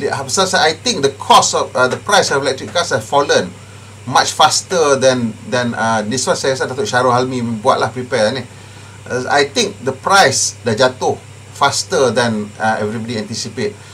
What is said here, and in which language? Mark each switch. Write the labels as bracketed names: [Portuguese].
[English] So, I think the cost of the price of electric cars has fallen much faster than this one. [Malay] Saya rasa Datuk Syarul Halmi buat lah prepare ni. [English] I think the price [Malay] dah jatuh [English] faster than everybody anticipate.